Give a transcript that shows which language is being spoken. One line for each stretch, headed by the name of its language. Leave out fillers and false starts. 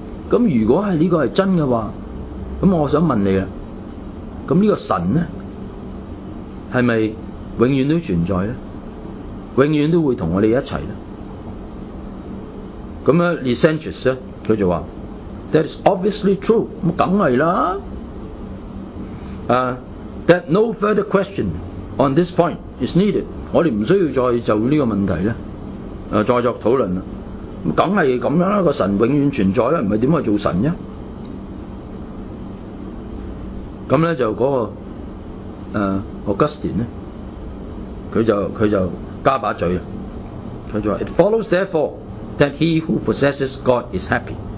Chinese: 那如果是這個是真的話，那我想問你，那這個神呢是不是永遠都存在呢？永遠都會跟我們一起呢？那 Licentius 他就說
English: That is obviously true。
Chinese: 當然啦，
English: that no further question on this point is needed。
Chinese: 我們不需要再就這個問題呢再作討論了，當然是這樣，那個神永遠存在，不是怎麼做神呢？那呢就那個Augustine 呢他就加把嘴，他就說
English: It follows therefore that he who possesses God is happy。